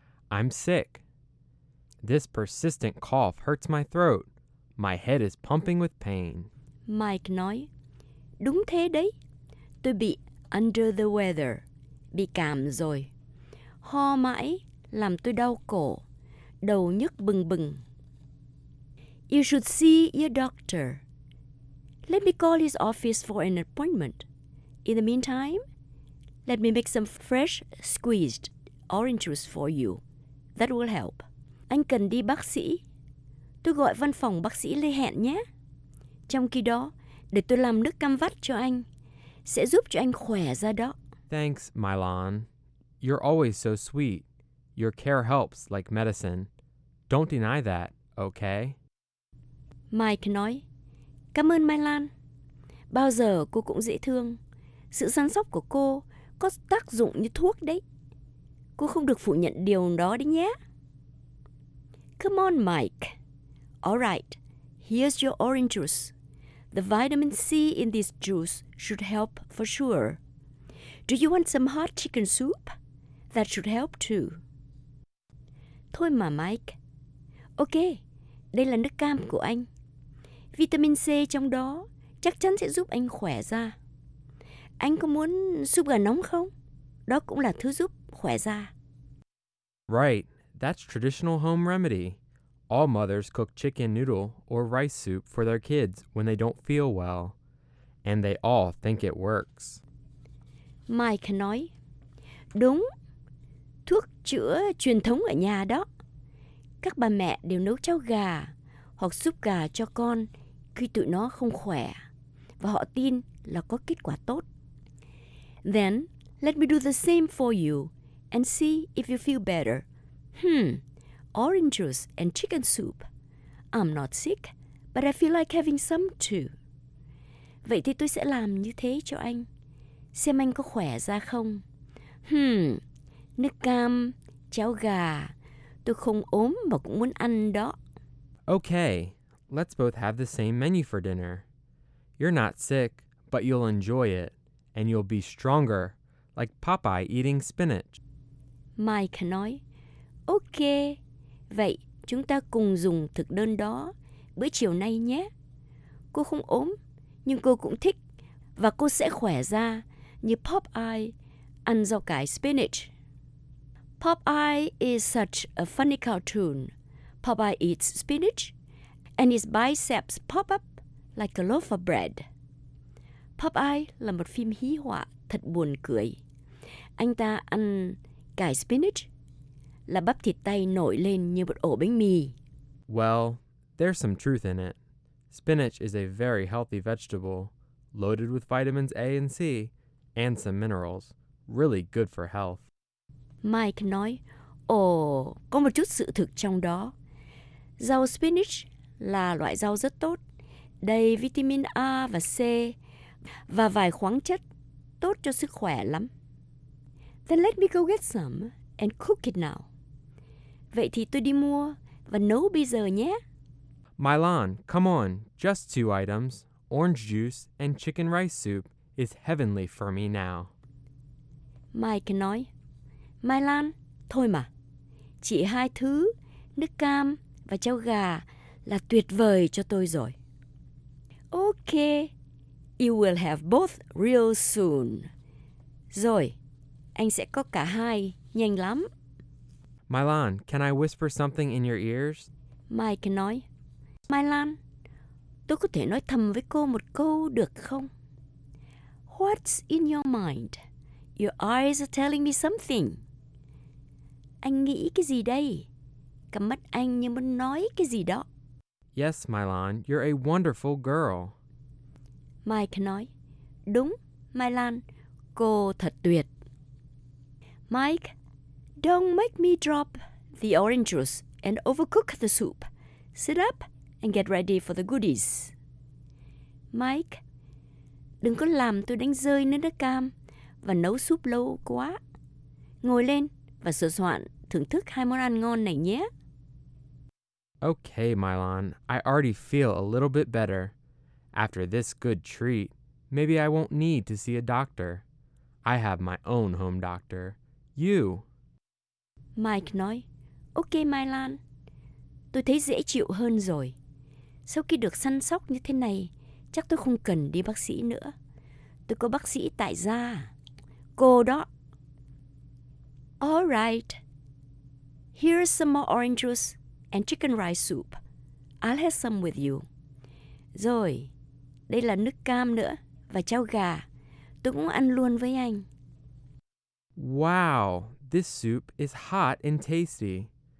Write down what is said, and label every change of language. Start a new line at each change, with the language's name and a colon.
English: I'm sick. This persistent cough hurts my throat. My head is pumping with pain.
Vietnamese: Mike nói, đúng thế đấy. Tôi bị
English: under the weather,
Vietnamese: bị cảm rồi. Ho mãi. Làm tôi đau cổ, đầu nhức bừng bừng.
English: You should see your doctor. Let me call his office for an appointment. In the meantime, let me make some fresh squeezed orange juice for you. That will help.
Vietnamese: Anh cần đi bác sĩ. Tôi gọi văn phòng bác sĩ lên hẹn nhé. Trong khi đó, để tôi làm nước cam vắt cho anh, sẽ giúp cho anh khỏe ra đó.
English: Thanks, Mylon. You're always so sweet. Your care helps like medicine. Don't deny that, okay?
Vietnamese: Mike nói, cảm ơn Mai Lan. Bao giờ cô cũng dễ thương. Sự săn sóc của cô có tác dụng như thuốc đấy. Cô không được phủ nhận điều đó đấy nhé.
English: Come on, Mike. All right, here's your orange juice. The vitamin C in this juice should help for sure. Do you want some hot chicken soup? That should help too.
Vietnamese: Thôi mà
English: Mike.
Vietnamese: Ok, đây là nước cam của anh. Vitamin C trong đó chắc chắn sẽ giúp anh khỏe da. Anh có muốn súp gà nóng không? Đó cũng là thứ giúp khỏe da.
English: Right, that's traditional home remedy. All mothers cook chicken noodle or rice soup for their kids when they don't feel well. And they all think it works.
Vietnamese: Mike nói, đúng. Thuốc chữa truyền thống ở nhà đó. Các bà mẹ đều nấu cháo gà hoặc súp gà cho con khi tụi nó không khỏe, và họ tin là có kết quả tốt.
English: Then, let me do the same for you and see if you feel better. Orange juice and chicken soup. I'm not sick, but I feel like having some too.
Vietnamese: Vậy thì tôi sẽ làm như thế cho anh. Xem anh có khỏe ra không. Nước cam, cháo gà. Tôi không ốm mà cũng muốn ăn đó.
English: Okay, let's both have the same menu for dinner. You're not sick, but you'll enjoy it. And you'll be stronger, like Popeye eating spinach.
Vietnamese: Mike nói, okay, vậy chúng ta cùng dùng thực đơn đó bữa chiều nay nhé. Cô không ốm, nhưng cô cũng thích, và cô sẽ khỏe ra như Popeye ăn rau cải spinach.
English: Popeye is such a funny cartoon. Popeye eats spinach, and his biceps pop up like a loaf of bread.
Vietnamese: Popeye là một phim hí họa thật buồn cười. Anh ta ăn cải spinach, là bắp thịt tay nổi lên như một ổ bánh mì.
English: Well, there's some truth in it. Spinach is a very healthy vegetable, loaded with vitamins A and C, and some minerals. Really good for health.
Vietnamese: Mike nói, có một chút sự thực trong đó. Rau spinach là loại rau rất tốt, đầy vitamin A và C, và vài khoáng chất tốt cho sức khỏe lắm.
English: Then let me go get some and cook it now.
Vietnamese: Vậy thì tôi đi mua và nấu bây giờ nhé.
English: Mylon, come on, just two items. Orange juice and chicken rice soup is heavenly for me now.
Vietnamese: Mike nói, Mylon, thôi mà. Chỉ hai thứ, nước cam và cháo gà là tuyệt vời cho tôi rồi.
English: Okay. You will have both real soon.
Vietnamese: Rồi, anh sẽ có cả hai, nhanh lắm.
English: Mylon, can I whisper something in your ears?
Vietnamese: Mike nói, Mylon, tôi có thể nói thầm với cô một câu được không?
English: What's in your mind? Your eyes are telling me something.
Vietnamese: Anh nghĩ cái gì đây? Cặp mắt anh như muốn nói cái gì đó.
English: Yes, Mylon, you're a wonderful girl.
Vietnamese: Mike nói, đúng, Mylon, cô thật tuyệt.
English: Mike, don't make me drop the orange juice and overcook the soup. Sit up and get ready for the goodies.
Vietnamese: Mike, đừng có làm tôi đánh rơi nước cam và nấu súp lâu quá. Ngồi lên và sửa soạn thưởng thức hai món ăn ngon này nhé.
English: Okay, Mylon, I already feel a little bit better. After this good treat, maybe I won't need to see a doctor. I have my own home doctor. You.
Vietnamese: Mike nói, okay, Mylon. Tôi thấy dễ chịu hơn rồi. Sau khi được săn sóc như thế này, chắc tôi không cần đi bác sĩ nữa. Tôi có bác sĩ tại gia. Cô đó.
English: All right. Here's some more orange juice and chicken rice soup. I'll have some with you.
Vietnamese: Rồi. Đây là nước cam nữa, và cháo gà. Tôi cũng ăn luôn với anh.
English: Wow, this soup is hot and tasty.